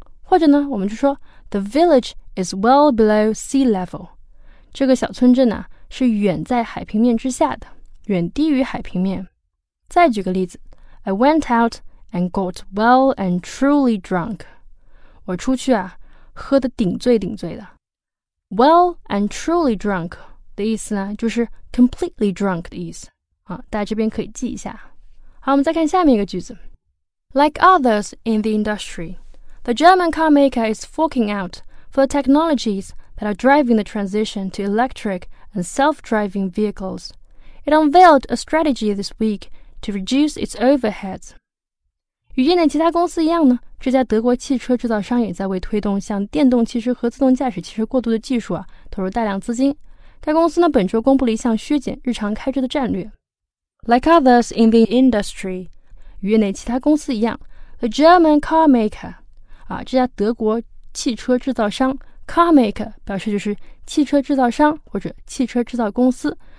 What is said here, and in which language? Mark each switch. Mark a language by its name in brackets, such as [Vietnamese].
[Chinese] 或者呢，我们就说 [English] the village is well below sea level. [Chinese] 这个小村镇呢，是远在海平面之下的，远低于海平面。再举个例子， [English] I went out and got well and truly drunk. [Chinese] 我出去啊，喝得顶醉顶醉的。 [English] Well and truly drunk [Chinese] 的意思呢，就是 [English] completely drunk [Chinese] 的意思啊，大家这边可以记一下。好，我们再看下面一个句子。 [English] Like others in the industry, the German car maker is forking out for the technologies that are driving the transition to electric and self-driving vehicles. It unveiled a strategy this week to reduce its overheads. [Chinese] 与业内其他公司一样呢，这家德国汽车制造商也在为推动向电动汽车和自动驾驶汽车过渡的技术啊，投入大量资金。该公司呢，本周公布了一项削减日常开支的战略。 [English] Like others in the industry, [Chinese] 与业内其他公司一样 ， [English] the German car maker， [Chinese] 啊，这家德国汽车制造商 ， [English] car maker [Chinese] 表示就是汽车制造商或者汽车制造公司。